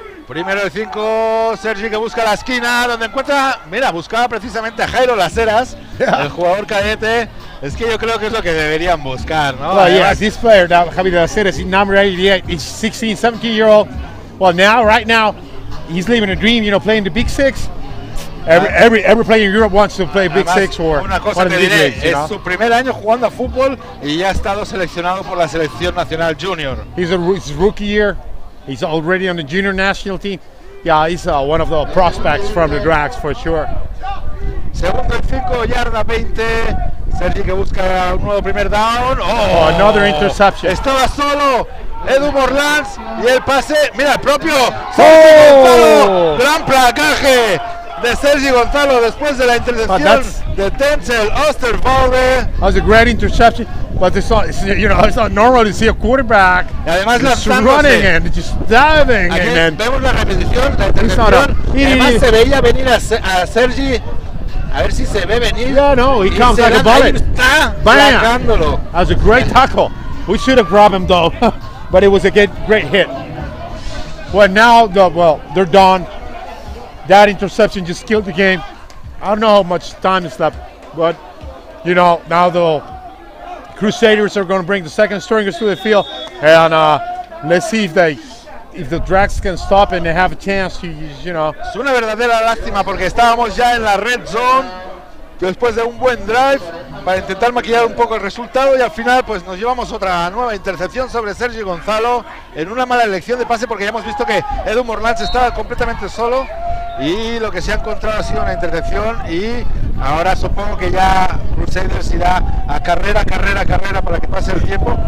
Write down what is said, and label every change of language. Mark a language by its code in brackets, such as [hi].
[es] Primero de cinco, Sergi, que busca la esquina, donde encuentra, mira, buscaba precisamente a Jairo Las Heras, el jugador cadete. Es que yo creo que es lo que deberían buscar, ¿no? [en] Well, yeah, this player, that Javi Las Heras, he's number 88, he's 16, 17 year old. Well, now, right now, he's living a dream, you know, playing the Big Six. Every player in Europe wants to play Big Six or [es] una cosa te diré, leagues, es, [en] you know? [es] Su primer año jugando a fútbol y ya ha estado seleccionado por la selección nacional junior. [en] He's a rookie year. He's already on the junior national team. Yeah, he's one of the prospects from the drags for sure. [es] Segundo en 5, yarda 20. Sergi que busca un nuevo primer down. [en] Oh, another interception. [es] Estaba solo Edu Morlans y el pase, mira, el propio Sergi Gonzalo. Gran placaje de Sergi Gonzalo después de la intercepción de Denzel Osterwalde. [en] That was a great interception. But it's not normal to see a quarterback [es] además [en] just running and just diving. [es] Aquí [en] and then [es] vemos la repetición, la intercepción. Además, se veía venir a Sergi. A ver si se ve venir. [en] Yeah, no, he [es] y [en] comes like a bullet. [es] Está flacándolo. [en] That was a great tackle. We should have grabbed him though, but it was a great hit. Well, now they're done. That interception just killed the game. I don't know how much time is left, but you know, now the Crusaders are going to bring the second stringers to the field, and let's see if the Drags can stop and they have a chance to, you know. [es] Es una verdadera lástima porque estábamos ya en la red zone después de un buen drive para intentar maquillar un poco el resultado y al final pues nos llevamos otra nueva intercepción sobre Sergi Gonzalo en una mala elección de pase porque ya hemos visto que Edu Morlans estaba completamente solo y lo que se ha encontrado ha sido una intercepción y ahora supongo que ya Crusaders irá a carrera para que pase el tiempo.